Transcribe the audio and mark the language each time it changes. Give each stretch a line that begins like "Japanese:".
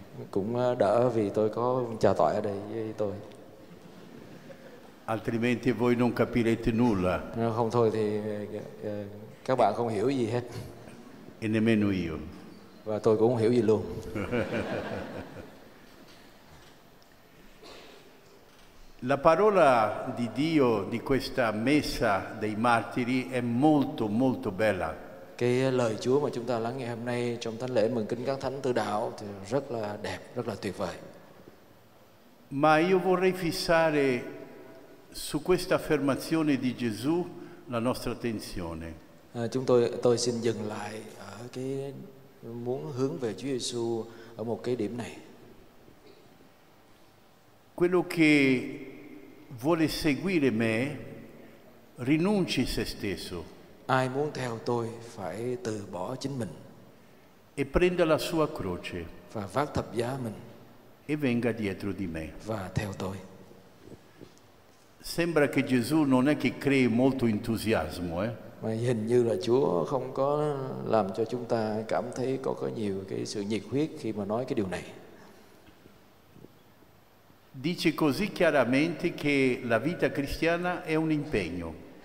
Vietnamese: Cũng đỡ vì tôi có cha tỏi ở đây với tôi.
Italian: Altrimenti voi non capirete nulla.
Vietnamese: Không thôi thì các bạn không hiểu gì hết.
Italian: E nemmeno io.
Vietnamese: Và tôi cũng không hiểu gì luôn.
Italian: La parola di Dio di questa messa dei martiri è molto molto bella.
Vietnamese: Cái lời Chúa mà chúng ta lắng nghe hôm nay trong thánh lễ mừng kính các thánh tử đạo thì rất là đẹp, rất là tuyệt vời.
Italian: Ma io vorrei fissare su questa affermazione di Gesù la nostra attenzione.
Vietnamese: Chúng tôi xin dừng lại ở cái muốn hướng về Chúa Giêsu ở một cái điểm này.
Italian: Quello che vuole seguire me rinunci se stesso.
Vietnamese: Ai muốn theo tôi phải từ bỏ chính mình.
Italian: E prenda la sua croce.
Vietnamese: Và vác thập giá mình.
Italian: E venga dietro di me.
Vietnamese: Và theo tôi.
Italian: Sembra che Gesù non è che crei molto entusiasmo, eh?
Vietnamese: Mà hình như là Chúa không có làm cho chúng ta cảm thấy có nhiều cái sự nhiệt huyết khi mà nói cái điều này.
Italian: Dice così chiaramente che la vita cristiana è un impegno.